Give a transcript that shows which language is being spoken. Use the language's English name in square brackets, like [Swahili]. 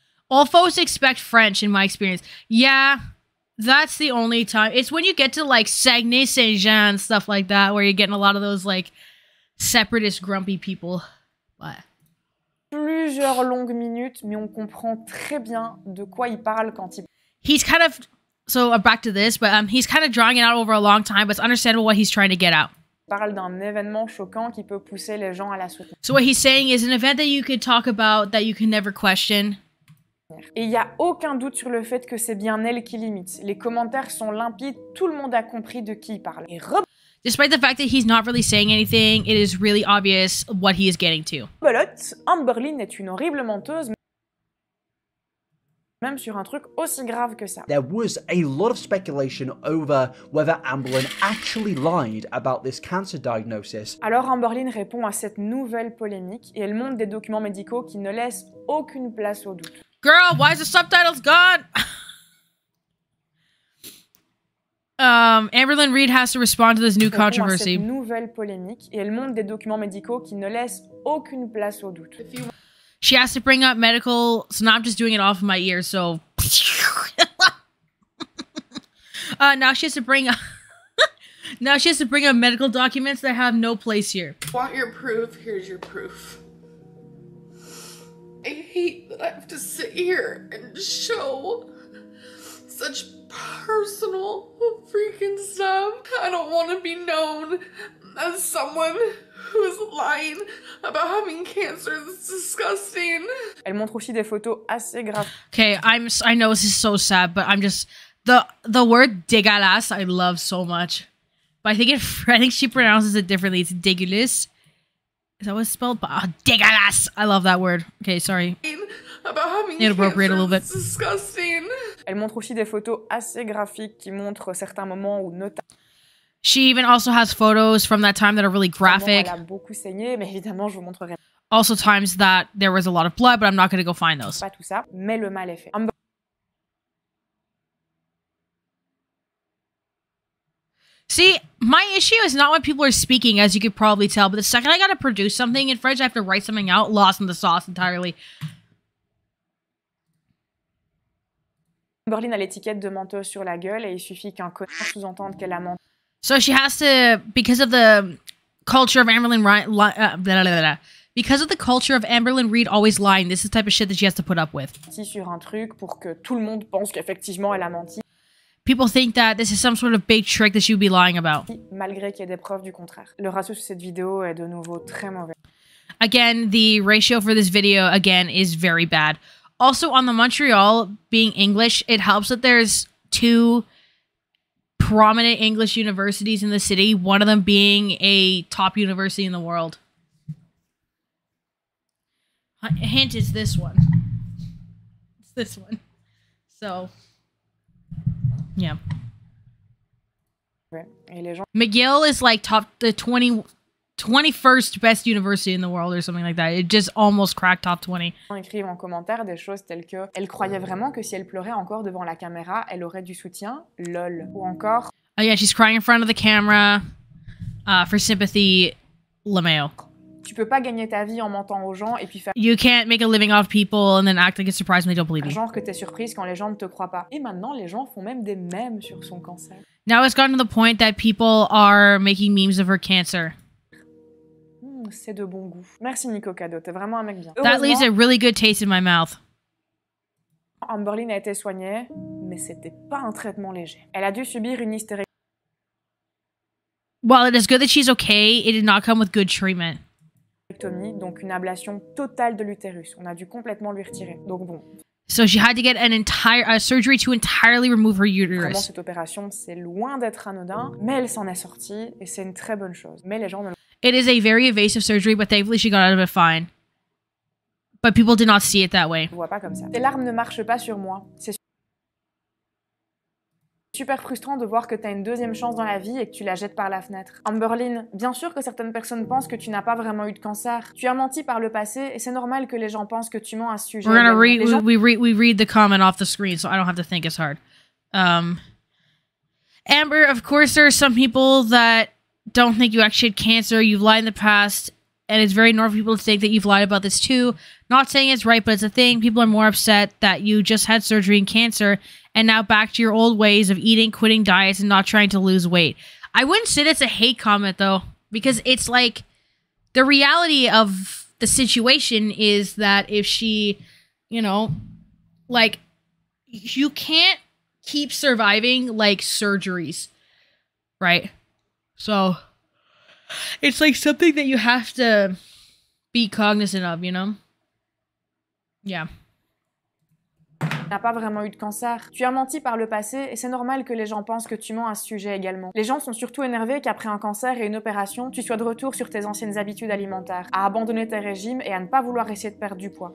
[English] All folks expect French, in my experience. Yeah, that's the only time. It's when you get to, like, Saguenay, Saint-Jean, stuff like that, where you're getting a lot of those, like, separatist grumpy people. What? [French] Plusieurs longues minutes, mais on comprend très bien de quoi il parle quand il... [English] He's kind of... So, back to this, but he's kind of drawing it out over a long time, but it's understandable what he's trying to get out. [French] Parle d'un événement choquant qui peut pousser les gens à la soutenir. [English] So, what he's saying is an event that you could talk about that you can never question... [French] Et il n'y a aucun doute sur le fait que c'est bien elle qui limite. Les commentaires sont limpides, tout le monde a compris de qui il parle. Et [English] despite the fact that he's not really saying anything, it is really obvious what he is getting to. [French] Rebelote, Amberlynn est une horrible menteuse, même sur un truc aussi grave que ça. [English] There was a lot of speculation over whether Amberlynn actually lied about this cancer diagnosis. [French] Alors Amberlynn répond à cette nouvelle polémique et elle montre des documents médicaux qui ne laissent aucune place au doute. [English] Girl, why is the subtitles gone? Amberlynn Reid has to respond to this new controversy. [French] Cette nouvelle polémique et elle montre des documents médicaux qui ne laissent aucune place au doute. [English] She has to bring up medical, so now I'm just doing it off of my ear, so... now she has to bring up... now she has to bring up medical documents that have no place here. Want your proof? Here's your proof. I hate that I have to sit here and show such personal freaking stuff. I don't want to be known as someone who's lying about having cancer. It's disgusting. [French] Elle montre aussi des photos assez graves. [English] Okay, I know this is so sad, but I'm just... The word dégueulasse I love so much. But I think she pronounces it differently. It's dégueulasse. Is that what it's spelled? Oh, dégueulasse! I love that word. Okay, sorry. About having inappropriate a little bit. Disgusting. [French] Elle montre aussi des photos assez graphiques qui montrent certains moments où notamment... [English] She even also has photos from that time that are really graphic. [French] Elle a beaucoup saigné, mais évidemment, je vous montrerai... [English] Also times that there was a lot of blood, but I'm not going to go find those. [French] Pas tout ça, mais le mal est fait. [English] See, my issue is not when people are speaking, as you could probably tell, but the second I gotta produce something in French, I have to write something out, lost in the sauce entirely. [French] Amberlynn a l'étiquette de menteuse sur la gueule et il suffit qu'un connard sous-entende qu'elle a menti. [English] So she has to, because of the culture of Amberlynn Reid, because of the culture of Amberlynn Reid always lying, this is the type of shit that she has to put up with. [French] Sur un truc pour que tout le monde pense qu'effectivement elle a menti. [English] People think that this is some sort of big trick that she would be lying about. [French] Malgré qu'il y ait des preuves du contraire. Le ratio sur cette vidéo est de nouveau très mauvais. [English] Again, the ratio for this video, again, is very bad. Also, on the Montreal being English, it helps that there's two prominent English universities in the city, one of them being a top university in the world. Hint is this one. It's this one. So... Yeah. [French] Et les gens... [English] McGill is like top the 20 21st best university in the world or something like that. It just almost cracked top 20. [French] On écrit en commentaire des choses telles que elle croyait vraiment que si elle pleurait encore devant la caméra, elle aurait du soutien. Lol. Ou encore [English] oh yeah, she's crying in front of the camera for sympathy. LMAO. [French] Tu peux pas gagner ta vie en mentant aux gens et puis faire [English] you can't make a living off people and then act like it's surprised when they don't believe you. [French] Genre que t'es surprise quand les gens ne te croient pas. Et maintenant les gens font même des mèmes sur son cancer. [English] Now it's gotten to the point that people are making memes of her cancer. [French] C'est de bon goût. Merci Nico Cado, t'es vraiment un mec bien. [English] That leaves a really good taste in my mouth. [French] Amberlynn a été soignée, mais c'était pas un traitement léger. Elle a dû subir une hystérectomie. [English] Well, it is good that she's okay. It did not come with good treatment. [French] Hystérectomie, donc une ablation totale de l'utérus. On a dû complètement lui retirer. Donc bon. [English] So she had to get an entire surgery to entirely remove her uterus. [French] Vraiment, cette opération, c'est loin d'être anodin, mais elle s'en est sortie et c'est une très bonne chose. Mais les gens ne [English] it is a very invasive surgery, but thankfully she got out of it fine. But people did not see it that way. [French] Je vois pas comme ça. Tes larmes ne marchent pas sur moi. C'est super frustrant de voir que t'as une deuxième chance dans la vie et que tu la jettes par la fenêtre. Amberlynn, bien sûr que certaines personnes pensent que tu n'as pas vraiment eu de cancer. Tu as menti par le passé et c'est normal que les gens pensent que tu mens à ce sujet. [English] We're gonna read, we read the comment off the screen so I don't have to think as hard. Amber, of course there are some people that don't think you actually had cancer, you've lied in the past, and it's very normal for people to think that you've lied about this too. Not saying it's right, but it's a thing. People are more upset that you just had surgery and cancer, and now back to your old ways of eating, quitting diets, and not trying to lose weight. I wouldn't say that's a hate comment, though, because it's like, the reality of the situation is that if she, you know, like, you can't keep surviving, like, surgeries, right? So, it's like something that you have to be cognizant of, you know? Yeah. [French] Tu n'as pas vraiment eu de cancer. Tu as menti par le passé et c'est normal que les gens pensent que tu mens à ce sujet également. Les gens sont surtout énervés qu'après un cancer et une opération, tu sois de retour sur tes anciennes habitudes alimentaires, à abandonner tes régimes et à ne pas vouloir essayer de perdre du poids.